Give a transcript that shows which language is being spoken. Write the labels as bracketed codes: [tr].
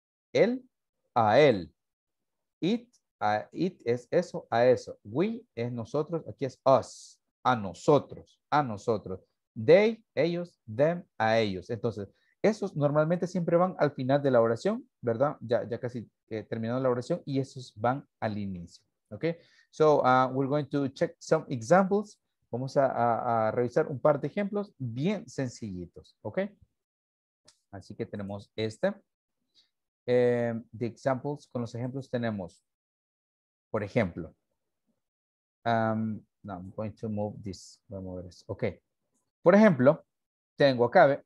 [es] Él, a él. It, a it es eso, a eso. We es nosotros, aquí es us, a nosotros, a nosotros. They, ellos, them, a ellos. Entonces, esos normalmente siempre van al final de la oración, ¿verdad? Ya casi terminando la oración y esos van al inicio. [en] Okay, so we're going to check some examples. [es] Vamos a revisar un par de ejemplos bien sencillitos. Okay, así que tenemos este. [en] The examples, [es] con los ejemplos tenemos, por ejemplo. No, [en] I'm going to move this. [es] Voy a mover esto. Okay, por ejemplo, tengo acá, ¿ve?